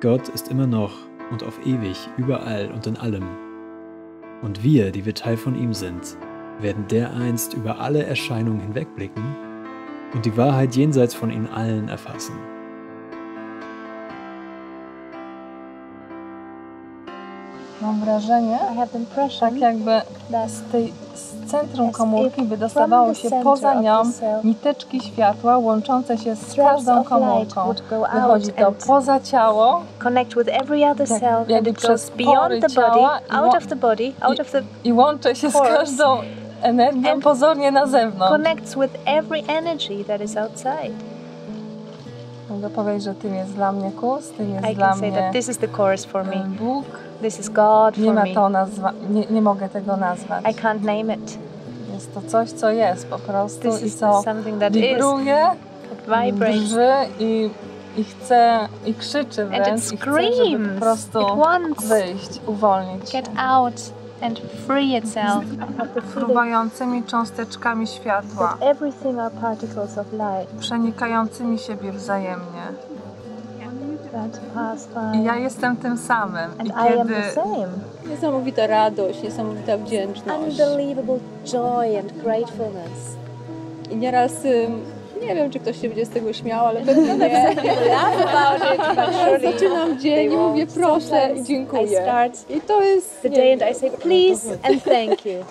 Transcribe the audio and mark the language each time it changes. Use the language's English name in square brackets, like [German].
[German] Gott ist immer noch und auf ewig überall und in allem. Und wir, die wir Teil von ihm sind, werden dereinst über alle Erscheinungen hinwegblicken und die Wahrheit jenseits von ihnen allen erfassen. [Polish] Mam wrażenie, tak jakby z tej z centrum komórki wydostawało się poza nią niteczki światła łączące się z każdą komórką. Wychodzi to poza ciało. [English] Connect with every other cell and it goes beyond the body, out of the body, out of the [Polish] i łączy się z każdą energią pozornie na zewnątrz. [English] Connects with every energy that is outside. [Polish] Mogę powiedzieć, że tym jest dla mnie kurs, tym jest dla mnie. [English] I can say that this is the course for me. [Polish] Bóg. [English] This is God for [Polish] nie ma [English] me. [Polish] To nazwa, nie mogę tego nazwać. [English] I can't name it. [Polish] Jest to coś, co jest po prostu [English] this is [Polish] i co [English] something that [Polish] wibruje, [English] is, [Polish] drży i chce i krzyczy wręcz. [English] And it screams. [Polish] I chce, po prostu [English] it wants [Polish] wyjść, uwolnić. [English] Get out and free itself. [Polish] Fruwającymi cząsteczkami światła. [English] That everything are particles of light. [Polish] Przenikającymi siebie wzajemnie. [English] That [Polish] i ja jestem tym samym. [English] And [Polish] i kiedy niesamowita radość, niesamowita wdzięczność. [English] Unbelievable joy and gratefulness. [Polish] I nieraz nie wiem, czy ktoś się będzie z tego śmiał, ale pewnie nie. Zaczynam dzień i mówię proszę i dziękuję. I to jest... [English] The day and I say please and thank you.